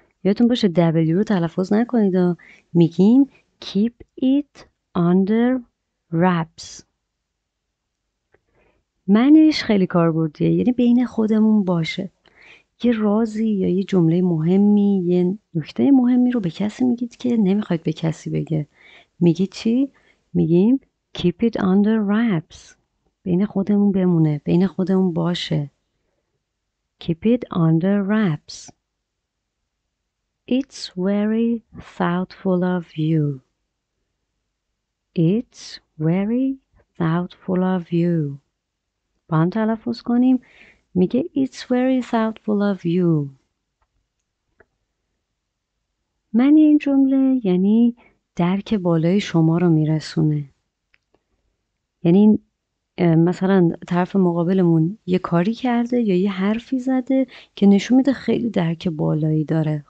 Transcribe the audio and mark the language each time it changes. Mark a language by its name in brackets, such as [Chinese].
[Persian] یادتون باشه W رو تلفظ نکنید و میگیم [English] Keep it under wraps. [Persian] معنیش خیلی کاربردیه. یعنی بین خودمون باشه. یه رازی یا یه جمله مهمی، یه نکته مهمی رو به کسی میگید که نمیخواید به کسی بگه. میگید چی؟ میگیم [English] Keep it under wraps. [Persian] بین خودمون بمونه. بین خودمون باشه. [English] Keep it under wraps. It's very thoughtful of you. It's very thoughtful of you. [Persian] با هم تلفظ کنیم. میگه [English] It's very thoughtful of you. [Persian] من این جمله یعنی درک بالای شما رو میرسونه. یعنی مثلا طرف مقابلمون یه کاری کرده یا یه حرفی زده که نشون میده خیلی درک بالایی داره.